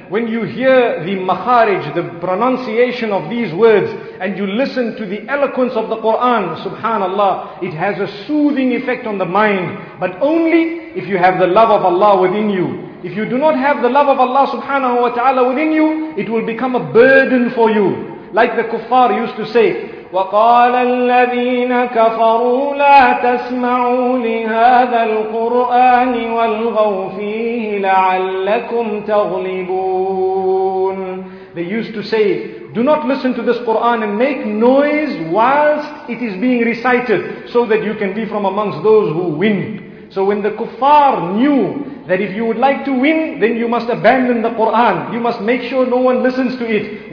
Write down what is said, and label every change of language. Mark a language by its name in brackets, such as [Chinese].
[English] When you hear the makharij, the pronunciation of these words, and you listen to the eloquence of the Qur'an, subhanallah, it has a soothing effect on the mind, but only if you have the love of Allah within you. If you do not have the love of Allah subhanahu wa ta'ala within you, it will become a burden for you. Like the kuffar used to say, [Arabic] وَقَالَ الَّذِينَ كَفَرُوا لَا تَسْمَعُوا لِهَذَا الْقُرْآنِ وَالْغَوْا فِيهِ لَعَلَّكُمْ تَغْلِبُونَ. [English] They used to say, do not listen to this Qur'an and make noise whilst it is being recited, so that you can be from amongst those who win. So when the kuffar knew that if you would like to win, then you must abandon the Quran. You must make sure no one listens to it.